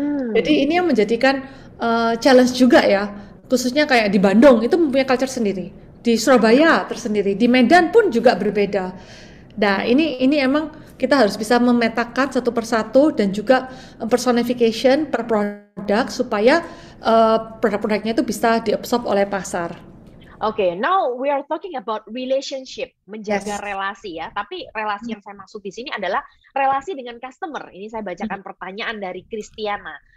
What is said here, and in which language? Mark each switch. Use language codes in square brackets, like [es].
[id] Jadi ini yang menjadikan challenge juga ya. Khususnya kayak di Bandung itu mempunyai culture sendiri. Di Surabaya tersendiri, di Medan pun juga berbeda. Nah, ini emang kita harus bisa memetakan satu persatu dan juga personification per produk supaya produk-produknya itu bisa diabsorb oleh pasar. [en] Now we are talking about relationship, [id] menjaga [en] yes. [id] relasi ya. Tapi relasi yang saya maksud di sini adalah relasi dengan customer. Ini saya bacakan pertanyaan dari Kristiana.